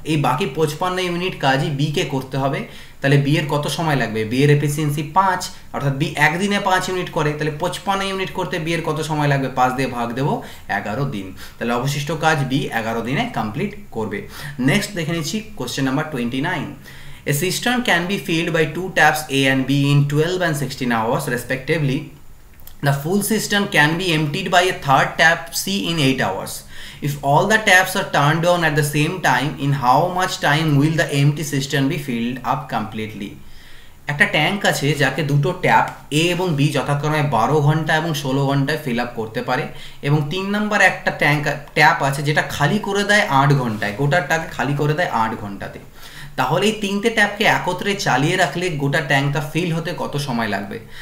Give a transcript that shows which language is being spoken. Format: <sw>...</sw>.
<bn>এই বাকি 55 ইউনিট কাজই বি কে করতে হবে। তাহলে বি এর কত সময় লাগবে? বি এর এফিসিয়েন্সি 5, অর্থাৎ বি একদিনে 5 ইউনিট করে। তাহলে 55 ইউনিট করতে বি এর কত সময় লাগবে? 5 দিয়ে ভাগ দেবো 11 দিন। তাহলে অবশিষ্ট কাজ বি 11 দিনে কমপ্লিট করবে। নেক্সট দেখে নিচ্ছি question number 29।</bn> <en>A cistern can be filled by 2 taps A and B in 12 and 16 hours respectively. The full cistern can be emptied by a 3rd tap C in 8 hours. If all the taps are turned on at the same time, in how much time will the empty cistern be filled up completely?</en> <bn>একটা tank আছে যাকে দুটো tap এ এবং B যথাক্রমে 12 ঘন্টা এবং 16 ঘন্টায় fill up করতে পারে, এবং 3 নম্বর একটা ট্যাঙ্ক ট্যাপ আছে যেটা খালি করে দেয় 8 ঘন্টায়, গোটাটাকে খালি করে দেয় 8 ঘন্টাতে। তাহলে এই 3টে ট্যাপকে একত্রে চালিয়ে রাখলে গোটা ট্যাঙ্কটা ফিল হতে কত সময় লাগবে?</bn>